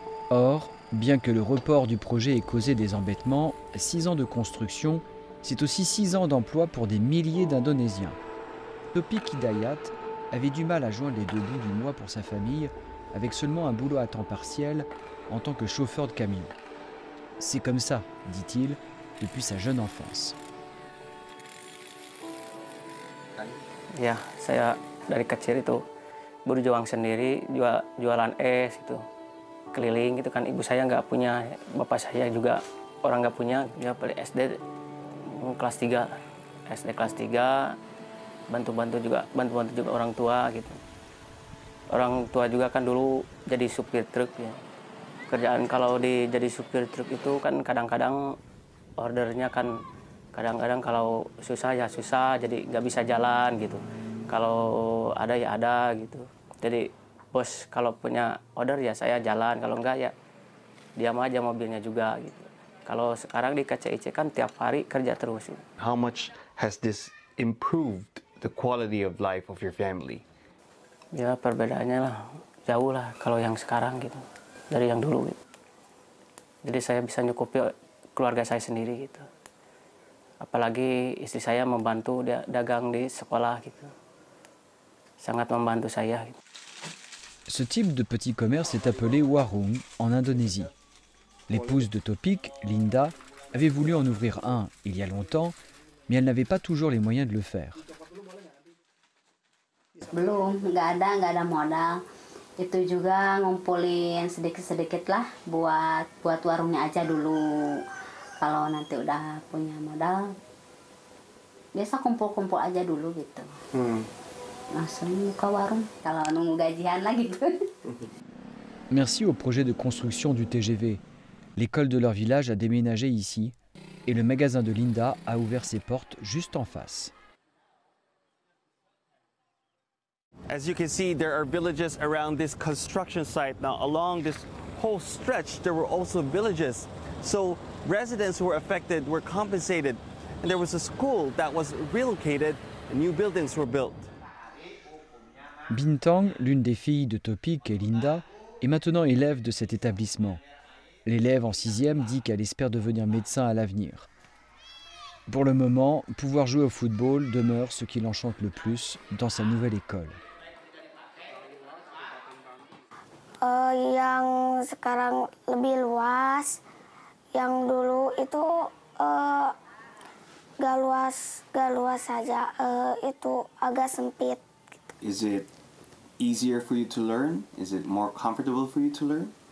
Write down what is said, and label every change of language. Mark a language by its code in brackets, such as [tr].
[fr] Or, bien que le report du projet ait causé des embêtements, 6 ans de construction, c'est aussi 6 ans d'emploi pour des milliers d'Indonésiens. Topik Hidayat avait du mal à joindre les 2 bouts du mois pour sa famille, avec seulement un boulot à temps partiel en tant que chauffeur de camion. C'est comme ça, dit-il, depuis sa jeune enfance. [id] Ya, saya dari kecil itu berjuang sendiri, jualan es itu, keliling gitu kan. Ibu saya nggak punya, bapak saya juga orang nggak punya, dia beli es deh. Kelas 3, SD kelas 3, bantu-bantu juga orang tua gitu. Orang tua juga kan dulu jadi supir truk ya. Kerjaan kalau di jadi supir truk itu kan kadang-kadang ordernya kan kadang-kadang kalau susah ya susah, jadi nggak bisa jalan gitu. Kalau ada ya ada gitu. Jadi bos kalau punya order ya saya jalan, kalau enggak ya diam aja mobilnya juga gitu. Kalau sekarang di KCIC kan tiap hari kerja terus. [en] How much has this improved the quality of life of your family? [id] Ya perbedaannya lah jauh lah kalau yang sekarang gitu dari yang dulu. Gitu. Jadi saya bisa nyukupi keluarga saya sendiri gitu. Apalagi istri saya membantu dia dagang di sekolah gitu. Sangat membantu saya. Gitu. [fr] Ce type de petit commerce est appelé warung en Indonésie. L'épouse de Topik, Linda, avait voulu en ouvrir un il y a longtemps, mais elle n'avait pas toujours les moyens de le faire. [id] Belum, nggak ada modal. Itu juga ngumpulin sedikit-sedikit lah buat warungnya aja dulu. Kalau nanti udah punya modal, biasa kumpul-kumpul aja dulu gitu. Hmm. Langsung buka warung kalau nunggu gajian lah gitu. [fr] Merci au projet de construction du TGV. L'école de leur village a déménagé ici et le magasin de Linda a ouvert ses portes juste en face. [en] As you can see, there are villages around this construction site. Now, along this whole stretch, there were also villages. So residents who were affected were compensated. And there was a school that was relocated and new buildings were built. [fr] Bintang, l'une des filles de Topik et Linda, est maintenant élève de cet établissement. L'élève en sixième dit qu'elle espère devenir médecin à l'avenir. Pour le moment, pouvoir jouer au football demeure ce qui l'enchante le plus dans sa nouvelle école. [id] Yang sekarang lebih luas, yang dulu itu gak luas saja, itu agak sempit. [en] Is it easier for you to learn? Is it more comfortable for you to learn?